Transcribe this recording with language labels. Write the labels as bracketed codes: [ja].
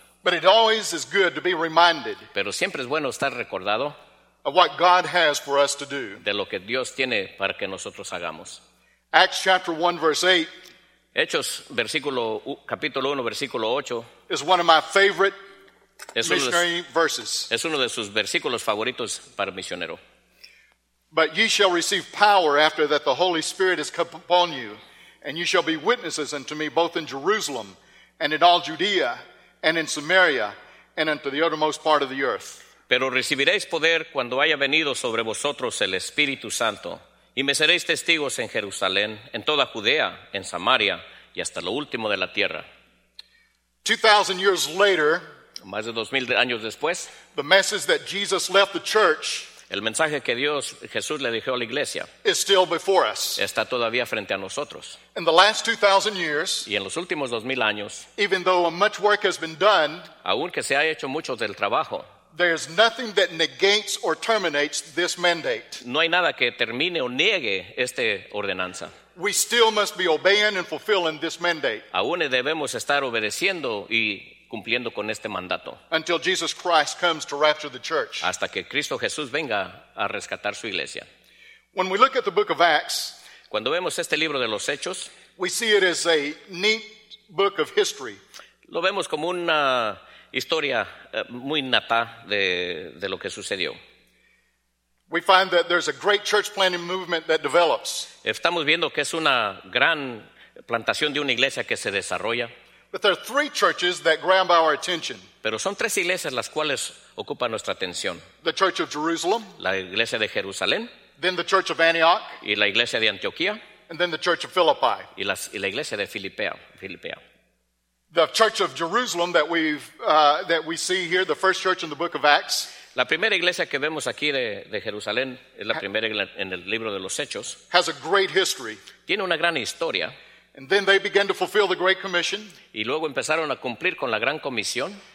[en] But it always is good to be reminded. [es] Pero siempre es bueno estar recordado. [en] of what God has for us to do. [es] De lo que Dios tiene para que nosotros hagamos. [en] Acts chapter 1 verse 8. [es] Hechos versículo capítulo 1 versículo 8. [en] Is one of my favorite missionary verses. [es] Es uno de sus versículos favoritos para misionero. [en] But ye shall receive power after that the Holy Spirit has come upon you, and you shall be witnesses unto me both in Jerusalem and in all Judea and in Samaria and unto the uttermost part of the earth. [es] Pero recibiréis poder cuando haya venido sobre vosotros el Espíritu Santo, y me seréis testigos en Jerusalén, en toda Judea, en Samaria y hasta lo último de la tierra. [en] 2,000 years later, [es] más de 2,000 años después, [en] the message that Jesus left the church, [es] el mensaje que Dios, Jesús le dijo a la iglesia, [en] is still before us. [es] Está todavía frente a nosotros. [en] In the last 2,000 years, [es] y en los últimos 2,000 años, [en] even though much work has been done, [es] aunque se ha hecho mucho del trabajo, [en] there is nothing that negates or terminates this mandate. [es] No hay nada que termine o niegue esta ordenanza. [en] We still must be obeying and fulfilling this mandate. [es] Aún debemos estar obedeciendo y cumpliendo con este mandato. [en] Until Jesus Christ comes to rapture the church. [es] Hasta que Cristo Jesús venga a rescatar su iglesia. [en] When we look at the book of Acts, [es] cuando vemos este libro de los Hechos, [en] we see it as a neat book of history. [es] Lo vemos como una historia muy nata de lo que sucedió. [en] We find that there's a great church planting movement that develops. [es] Estamos viendo que es una gran plantación de una iglesia que se desarrolla. [en] But there are three churches that grab our attention. [es] Pero son tres iglesias las cuales ocupan nuestra atención. [en] The Church of Jerusalem. [es] La iglesia de Jerusalén. [en] Then the Church of Antioch. [es] Y la iglesia de Antioquía. [en] And then the Church of Philippi. [es] Y la iglesia de Filipea. [en] The Church of Jerusalem that we see here, the first church in the book of Acts. [es] La primera iglesia que vemos aquí de Jerusalén es la primera en el libro de los Hechos. [en] Has a great history. [es] Tiene una gran historia. [en] And then they began to fulfill the Great Commission. [es] Y luego empezaron a cumplir con la Gran Comisión.